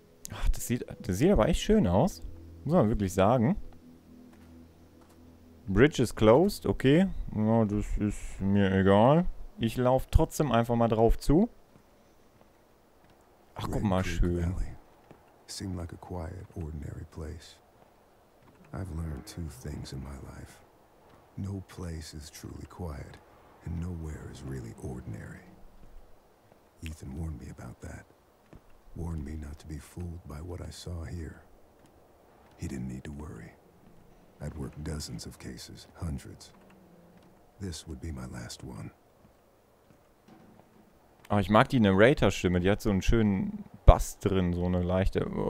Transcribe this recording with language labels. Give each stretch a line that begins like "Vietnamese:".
German: Ach, das sieht aber echt schön aus. Muss man wirklich sagen.
English: Bridge is closed.
German: Okay. Ja, das ist mir egal. Ich laufe trotzdem einfach mal drauf zu. Ach, guck mal, schön.
English: Seemed like a quiet, ordinary place. I've learned two things in my life. No place is truly quiet, and nowhere is really ordinary. Ethan warned me about that. Warned me not to be fooled by what I saw here. He didn't need to worry. I'd worked dozens of cases, hundreds. This would be my last one.
German: Oh, ich mag die Narrator-Stimme. Die hat so einen schönen Bass drin, so eine leichte...